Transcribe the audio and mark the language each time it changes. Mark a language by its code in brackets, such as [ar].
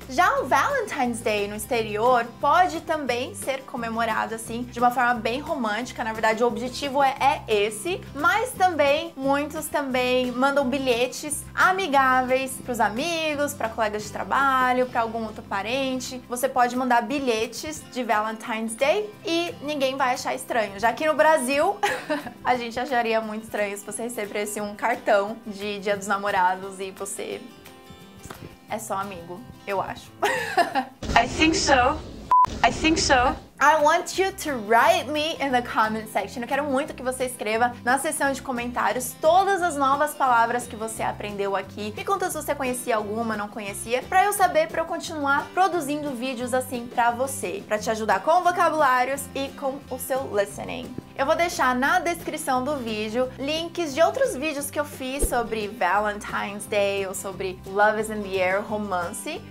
[pt] Já o Valentine's Day no exterior pode também ser comemorado assim, de uma forma bem romântica, na verdade o objetivo é esse, mas também, muitos também mandam bilhetes amigáveis pros amigos, pra colegas de trabalho, pra algum outro parente, você pode mandar bilhetes de Valentine's Day e ninguém vai achar estranho. Já que no Brasil a gente acharia muito estranho se você recebesse um cartão de Dia dos Namorados e você é só amigo, eu acho. [en] I think so. I think so. I want you to write me in the comment section. [pt] Eu quero muito que você escreva na seção de comentários todas as novas palavras que você aprendeu aqui. Me conta se você conhecia alguma, não conhecia, pra eu saber, pra eu continuar produzindo vídeos assim pra você, pra te ajudar com vocabulários e com o seu listening. Eu vou deixar na descrição do vídeo links de outros vídeos que eu fiz sobre Valentine's Day ou sobre Love is in the Air, romance.